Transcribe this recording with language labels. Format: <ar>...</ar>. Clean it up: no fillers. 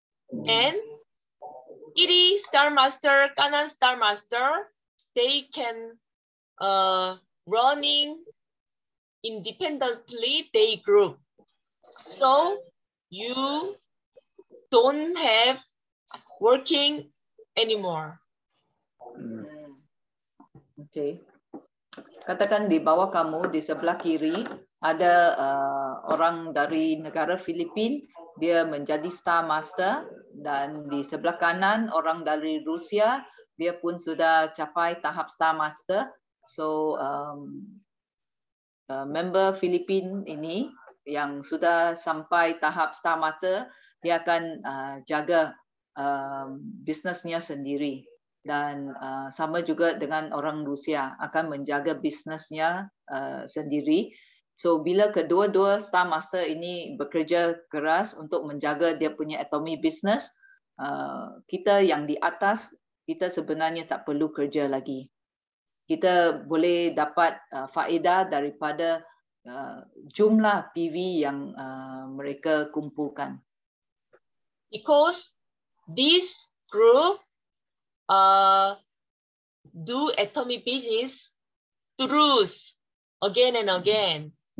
<en>And it is star master, Canon star master, they can running independently, they group. So you don't have working anymore. Okay.</en> <ms>Katakan di bawah kamu, di sebelah kiri, ada orang dari negara Filipin, dia menjadi star master. Dan di sebelah kanan, orang dari Rusia, dia pun sudah capai tahap star master. So, member Filipin ini yang sudah sampai tahap star master, dia akan jaga bisnesnya sendiri. Dan sama juga dengan orang Rusia, akan menjaga bisnesnya sendiri. So, bila kedua-dua star master ini bekerja keras untuk menjaga dia punya atomy business, kita yang di atas, kita sebenarnya tak perlu kerja lagi. Kita boleh dapat faedah daripada jumlah PV yang mereka kumpulkan.</ms> <en>Because this group do atomy business through again and again.</en>